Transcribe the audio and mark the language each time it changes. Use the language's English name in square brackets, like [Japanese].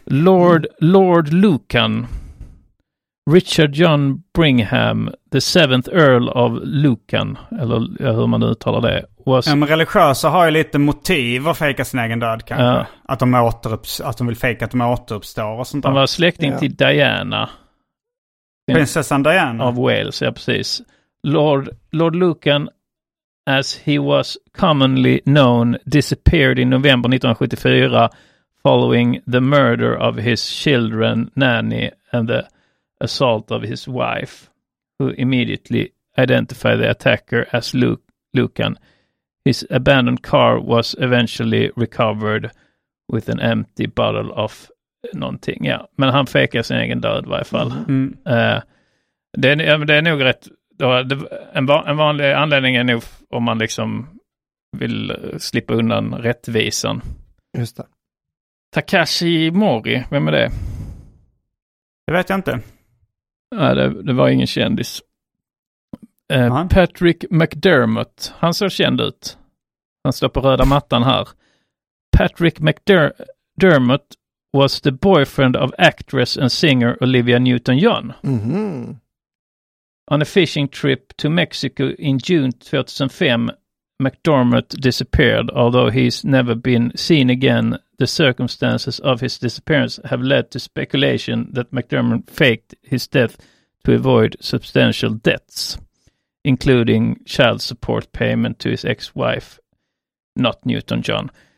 [Swedish] Lord Lucan. Richard John Brigham, the 7th Earl of Lucan, eller hur man uttalar det. Men religiösa har ju lite motiv att fejka sin egen död kanske. Att de vill fejka att de återuppstår och sånt där. Han var släkting till Diana. Prinsessan Diana. Av Wales, ja precis. [English] Lord Lucan, as he was commonly known, disappeared in November 1974 following the murder of his children, Nanny, and the assault of his wife, who immediately identified the attacker as Lucan. His abandoned car was eventually recovered with an empty bottle of [Swedish] någonting, ja. Men han fejkar sin egen död i varje fall. Det är nog rätt... Då, det, en vanlig anledning är nog om man liksom vill slippa undan rättvisan. Just det. Takashi Mori, vem är det? Det vet jag inte. Nej, det var ingen kändis. Patrick McDermott, han ser känd ut. Han står på röda mattan här. [English] Patrick McDermott was the boyfriend of actress and singer Olivia Newton-John. Mm-hmm. On a fishing trip to Mexico in June 2005, McDermott disappeared. Although he's never been seen again, the circumstances of his disappearance have led to speculation that McDermott faked his death to avoid substantial debts, including child support payment to his ex-wife, not Newton-John.